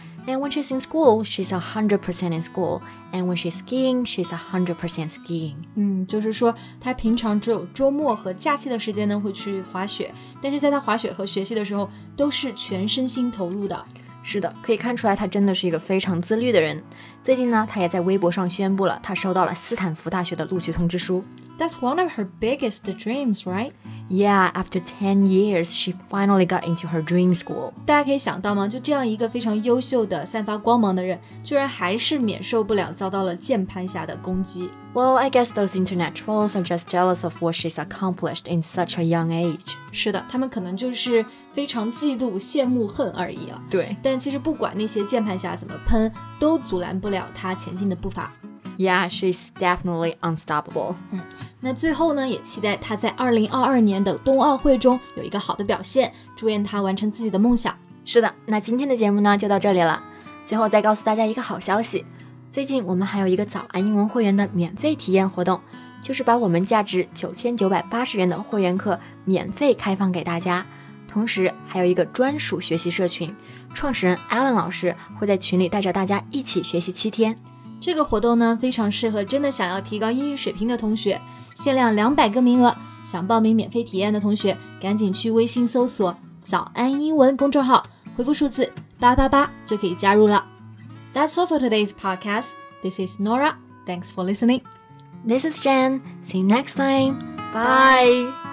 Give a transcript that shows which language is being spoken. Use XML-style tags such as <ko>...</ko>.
<en>And when she's in school, she's 100% in school. And when she's skiing, she's 100% skiing.</en> <zh>就是说她平常只有周末和假期的时间呢会去滑雪，但是在她滑雪和学习的时候都是全身心投入的。是的，可以看出来她真的是一个非常自律的人。最近呢，她也在微博上宣布了她收到了斯坦福大学的录取通知书。</zh> <en>That's one of her biggest dreams, right? Yeah, after 10 years, she finally got into her dream school.</en> <zh>大家可以想到吗？就这样一个非常优秀的、散发光芒的人，居然还是免受不了遭到了键盘侠的攻击。</zh> <en>Well, I guess those internet trolls are just jealous of what she's accomplished in such a young age.</en> <zh>是的，他们可能就是非常嫉妒、羡慕、恨而已了。对，但其实不管那些键盘侠怎么喷，都阻拦不了她前进的步伐。</zh> <en>Yeah, she's definitely unstoppable.</en> <zh>那最后呢，也期待她在2022年的冬奥会中有一个好的表现，祝愿她完成自己的梦想。是的，那今天的节目呢就到这里了。最后再告诉大家一个好消息，最近我们还有一个早安英文会员的免费体验活动，就是把我们价值9,980元的会员课免费开放给大家，同时还有一个专属学习社群，创始人 Alan 老师会在群里带着大家一起学习7天。这个活动呢，非常适合真的想要提高英语水平的同学，限量200个名额。想报名免费体验的同学，赶紧去微信搜索“早安英文”公众号，回复数字888就可以加入了。</zh> <en>That's all for today's podcast. This is Nora. Thanks for listening. This is Jen. See you next time. Bye.</en>